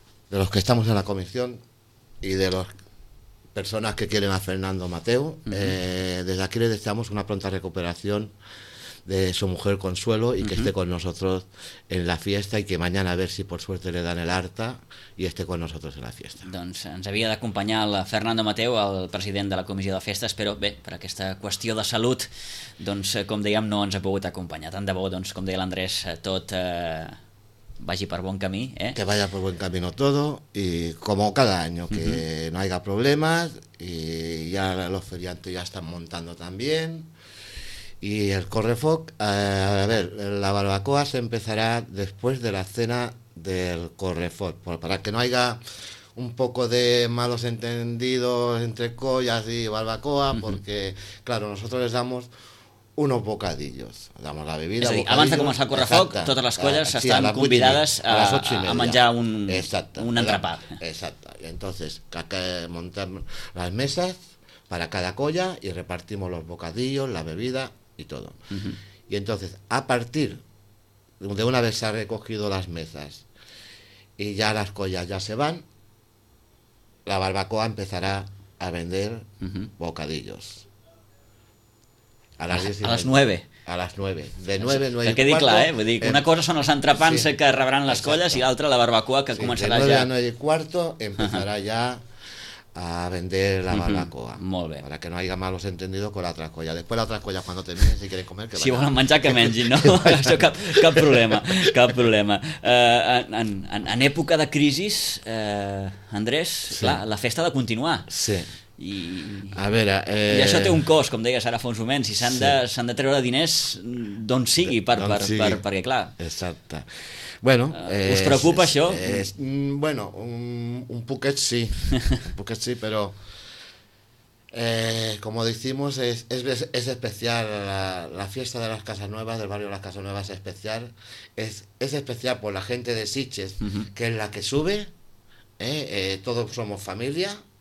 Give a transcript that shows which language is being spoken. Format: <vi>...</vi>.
<es>los que estamos en la comisión y de los personas que quieren a Fernando Mateu, desde aquí le deseamos una pronta recuperación de su mujer Consuelo y que esté con nosotros en la fiesta y que mañana a ver si por suerte le dan el alta y esté con nosotros en la fiesta.</es> <ca>Doncs ens havia d'acompanyar el Fernando Mateu, el president de la Comissió de Festes, però bé, per aquesta qüestió de salut, doncs, com dèiem, no ens ha pogut acompanyar. Tant de bo, doncs, com deia l'Andrés, tot vagi per bon camí, eh?</ca> <es>Que vaya por buen camino todo y como cada año que no haya problemas y ya los feriantes ya están montando también y el correfoc, a ver, la barbacoa se empezará después de la cena del correfoc, para que no haya un poco de malos entendidos entre collas y barbacoa, porque claro, nosotros les damos unos bocadillos, damos la bebida.</es> <ca>És a dir, abans de començar el correfoc, totes les colles estan convidades a menjar un entrepà. Exacte.</ca> <es>Entonces, que</es> <ca>montem les meses</ca> <es>para cada colla y repartimos los bocadillos, la bebida y todo. Y entonces, a partir de una vez se han recogido las mesas y ya las collas ya se van, la barbacoa empezará a vender bocadillos.</es> <ca>A les 9. De 9, 9 i 4. Que quedi clar, eh? Vull dir, una cosa són els entrepans que rebran les colles i l'altra la barbacoa que començarà ja.</ca> <es>De 9 a 9 i 4 empezarà ja a vender la barbacoa.</es> <ca>Molt bé.</ca> <es>Para que no haya malos entendidos con la otra colla. Después la otra colla, cuando termine, si quieren comer, que vaya.</es> <ca>Si volen menjar, que mengin, no? Això cap problema, cap problema. En època de crisi, Andrés, clar, la festa ha de continuar. Sí. I això té un cost, com deies ara fa uns moments, i s'han de treure diners d'on sigui, perquè clar. Exacte. Bueno, us preocupa això?</ca> <es>Bueno,</es> <ca>un poquet sí, però</ca> <es>como decimos, es especial la fiesta de las Casas Nuevas, del barrio de las Casas Nuevas, es especial por la gente de Sitges, que es la que sube, todos somos familia.</es>